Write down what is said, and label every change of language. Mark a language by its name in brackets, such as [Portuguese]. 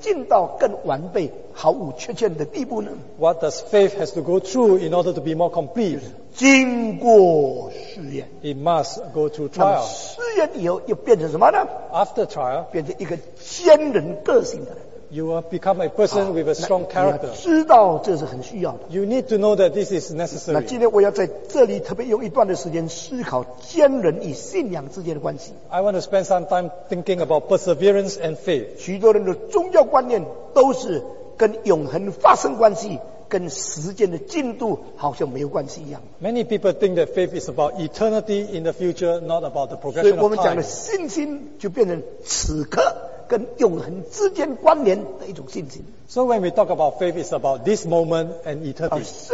[Chinese] 信心经过什么才能进到更完备、毫无缺陷的地步呢？ [English] What does faith have to go through in order to be more complete? [Chinese] 经过试验。 [English] It must go through trial. [Chinese] 试验以后又变成什么呢？ [English] After trial, [Chinese] 变成一个坚韧个性的人。 [English] You will become a person with a strong character. [Chinese] 知道这是很需要的。 [English] You need to know that this is necessary. [Chinese] 那今天我要在这里特别用一段的时间思考坚韧与信仰之间的关系。 [English] I want to spend some time thinking about perseverance and faith. [Chinese] 许多人的宗教观念都是跟永恒发生关系，跟时间的进度好像没有关系一样。 [English] Many people think that faith is about eternity in the future, not about the progression of time. [Chinese] 所以我们讲的信心就变成此刻。跟永恒之间关联的一种信心。 [English] So when we talk about faith, it's about this moment and eternity.